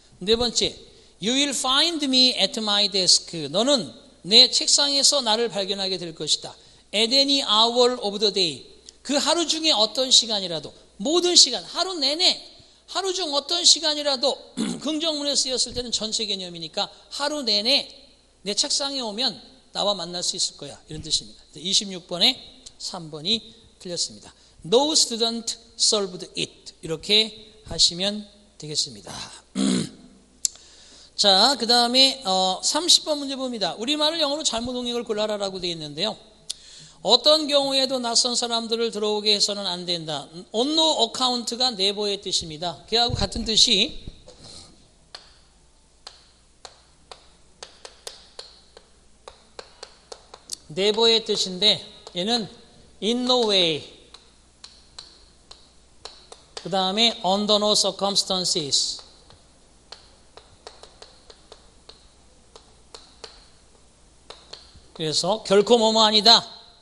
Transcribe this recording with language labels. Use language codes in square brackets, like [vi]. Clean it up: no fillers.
[ko] 네 번째, [en] You will find me at my desk. [ko] 너는 내 책상에서 나를 발견하게 될 것이다. [en] At any hour of the day. [ko] 그 하루 중에 어떤 시간이라도, 모든 시간, 하루 내내, 하루 중 어떤 시간이라도, 긍정문에 쓰였을 때는 전체 개념이니까 하루 내내 내 책상에 오면 나와 만날 수 있을 거야. 이런 뜻입니다. 26번에 3번이 틀렸습니다. [en] No student solved it. [ko] 이렇게 하시면 되겠습니다. 자, 그 다음에 30번 문제 봅니다. 우리말을 영어로 잘못 동역을 골라라라고 되어 있는데요. 어떤 경우에도 낯선 사람들을 들어오게 해서는 안 된다. On no account가 never의 뜻입니다. 그하고 같은 뜻이 never의 뜻인데 얘는 in no way, 그 다음에 under no circumstances, 그래서 결코 뭐뭐 아니다.